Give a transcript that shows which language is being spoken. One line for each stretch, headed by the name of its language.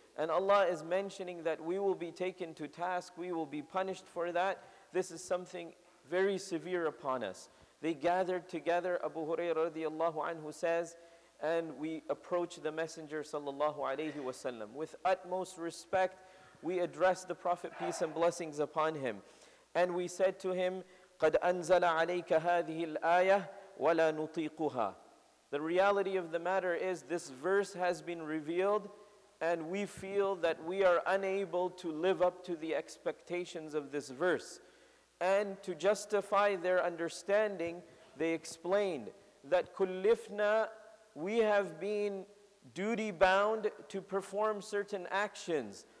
English: And Allah is mentioning that we will be taken to task, we will be punished for that. This is something very severe upon us. They gathered together, Abu Hurairah radiallahu anhu says, and we approach the Messenger sallallahu alayhi wa sallam. With utmost respect, we address the Prophet, peace and blessings upon him. And we said to him,
Arabic: قَدْ أَنزَلَ عَلَيْكَ هَذِهِ الْآيَةِ وَلَا نُطِيقُهَا.
English: The reality of the matter is this verse has been revealed and we feel that we are unable to live up to the expectations of this verse. And to justify their understanding, they explained that كُلِّفْنَا, we have been duty-bound to perform certain actions.